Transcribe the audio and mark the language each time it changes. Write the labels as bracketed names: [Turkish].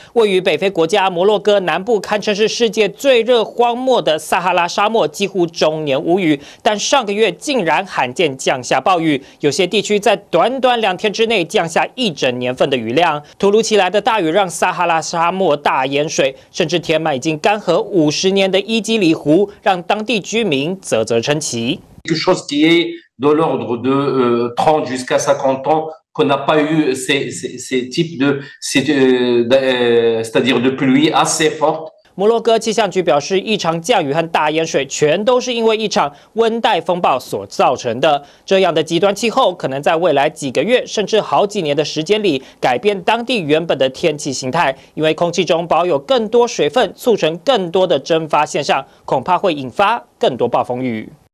[Chinese] 位于北非国家摩洛哥南部，堪称是世界最热荒漠的撒哈拉沙漠，几乎终年无雨，但上个月竟然罕见降下暴雨，有些地区在短短2天之内降下一整年份的雨量。突如其来的大雨让撒哈拉沙漠大淹水，甚至填满已经干涸50年的伊基里湖，让当地居民啧啧称奇。 [French] De l'ordre de 30 jusqu'à 50 ans qu'on n'a pas eu ces types de pluie assez forte。 [Chinese] 摩洛哥气象局表示，异常降雨和大淹水全都是因为一场温带风暴所造成的。这样的极端气候可能在未来几个月甚至好几年的时间里改变当地原本的天气形态，因为空气中保有更多水分，促成更多的蒸发现象，恐怕会引发更多暴风雨。